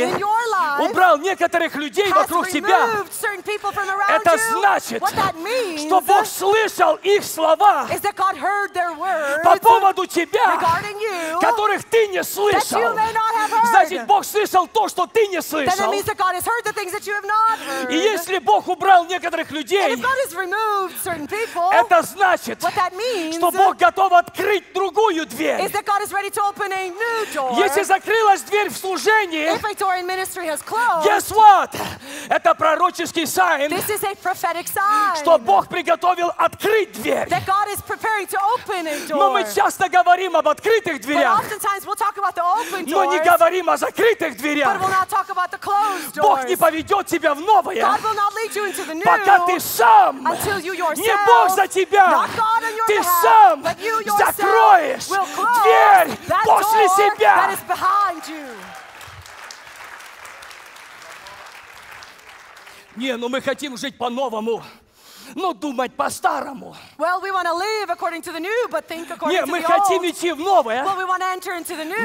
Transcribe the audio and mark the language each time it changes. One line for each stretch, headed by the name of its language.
English: in your life,
Russian: убрал некоторых людей
English: has
Russian: вокруг тебя,
English: removed certain people from around
Russian: это
English: you,
Russian: значит,
English: what that means,
Russian: что Бог слышал их слова
English: is that God heard their words
Russian: по поводу тебя,
English: regarding you,
Russian: которых ты не слышал.
English: That you may not have heard.
Russian: Значит, Бог слышал то, что ты не слышал.
English: Then it means that God has heard the things that you have not heard.
Russian: И если Бог убрал некоторых людей,
English: and if God has removed certain people,
Russian: это значит,
English: what that means,
Russian: что Бог готов открыть другую дверь.
English: Is that God is ready to open a new door.
Russian: Если закрылась дверь в служении,
English: if a door in ministry has closed, guess what?
Russian: Это пророческий
English: sign, this is a prophetic sign,
Russian: что Бог приготовил открыть дверь.
English: That God is preparing to open a door.
Russian: Но мы часто говорим об открытых дверях,
English: but oftentimes we'll talk about the open doors,
Russian: но не говорим о закрытых дверях.
English: But we'll not talk about the closed doors.
Russian: Бог не поведет тебя в новое,
English: God will not lead you into the new,
Russian: пока ты сам,
English: until you yourself,
Russian: не Бог за тебя,
English: not God on your
Russian: ты
English: behalf,
Russian: сам
English: but you yourself
Russian: закроешь
English: will close
Russian: дверь
English: that
Russian: после
English: door
Russian: себя.
English: That is behind you.
Russian: Не, ну мы хотим жить по-новому. Но думать по-старому.
English: Well, we want to live according to the new, but think according to the old.
Russian: Не, мы хотим идти в новое.
English: Well, we want to enter into the new.